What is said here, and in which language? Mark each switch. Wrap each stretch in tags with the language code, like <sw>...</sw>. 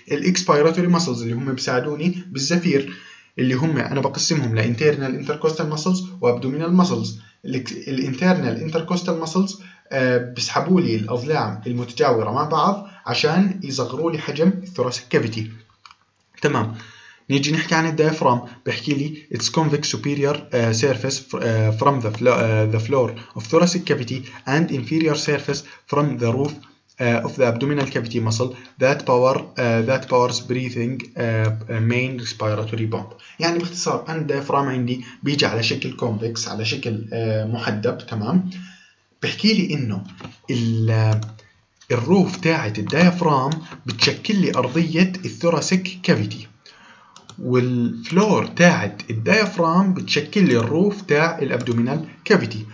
<ar>الاكسبيراتوري ماسلز اللي هم بيساعدوني بالزفير، اللي هم انا بقسمهم لانترنال انتركوستال ماسلز وابدومينال ماسلز. الانترنال انتركوستال ماسلز بسحبوا لي الأضلاع المتجاورة مع بعض عشان يصغروا لي حجم الثوراسيك كافيتي. تمام، نيجي نحكي عن الديافرام، بحكي لي</ar> <en>its convex superior surface from the floor of thoracic cavity and inferior surface from the roof of the abdominal cavity muscle that power that powers breathing main respiratory pump.</en> <ar>يعني باختصار أن الديافرام عندي بيجي على شكل convex، على شكل محدب. تمام، بحكي لي انه الروف تاعت الديافرام بتشكل لي ارضية الثوراسيك كافيتي، والفلور تاعت الديافرام بتشكل لي الروف تاع الابدومينال كافيتي.</ar>